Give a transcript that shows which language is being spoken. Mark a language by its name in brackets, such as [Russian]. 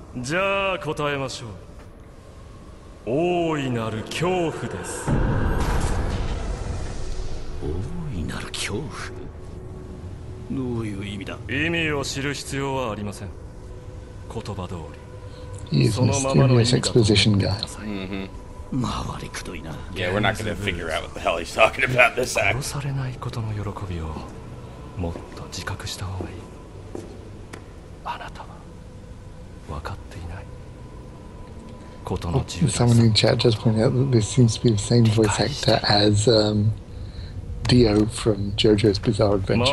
[Japanese] じゃあ答えましょう大いなる恐怖です大いなる恐怖どういう意味だ意味を知る必要はありません言葉通りそのままの意味だと周りくどいな [English] Yeah, we're not gonna figure out what the hell he's talking about this act [Japanese] 殺されないことの喜びをもっと自覚した方がいいあなたは分かっていない [English] Someone in chat just pointed out that this seems to be the same voice actor as Dio from JoJo's Bizarre Adventure.